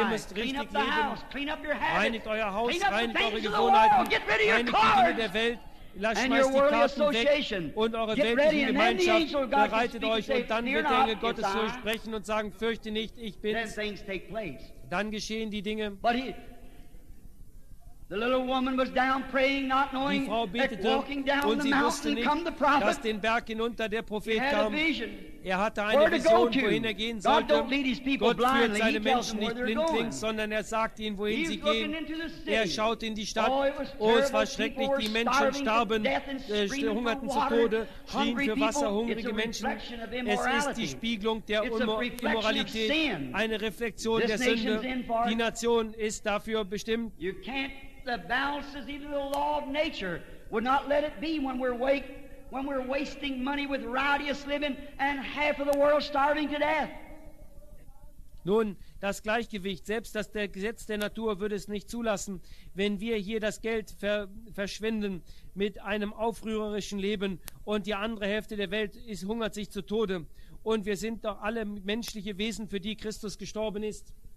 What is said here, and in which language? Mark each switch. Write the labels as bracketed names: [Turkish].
[German] Ihr müsst richtig leben. Reinigt euer Haus, reinigt eure Gewohnheiten, reinigt die Dinge der Welt. [English] And your worldly association. [German] Und eure weltliche Gemeinschaft, bereitet euch, und dann wird der Engel Gottes zu euch sprechen und sagen, fürchte nicht, ich bin's. Dann geschehen die Dinge. [English] The little woman was down praying, not knowing that walking down the mountain come the prophet. [German] Dass den Berg hinunter der Prophet kam. Er hatte eine Vision, wohin er gehen sollte. Gott führt seine Menschen nicht blindlings, sondern er sagt ihnen, wohin sie gehen. Er schaut in die Stadt. Oh, es war schrecklich. Die Menschen starben, hungerten zu Tode, schrien für Wasser, hungrige Menschen. Es ist die Spiegelung der Immoralität, eine Reflexion der Sünde. Die Nation ist dafür bestimmt. [English] The balances, even the law of nature, would not let it be when we're awake, when we're wasting money with rowdiest living and half of the world starving to death. [German] Nun, das Gleichgewicht, selbst das Gesetz der Natur würde es nicht zulassen, wenn wir hier das Geld verschwenden mit einem aufrührerischen Leben, und die andere Hälfte der Welt ist hungert sich zu Tode, und wir sind doch alle menschliche Wesen, für die Christus gestorben ist.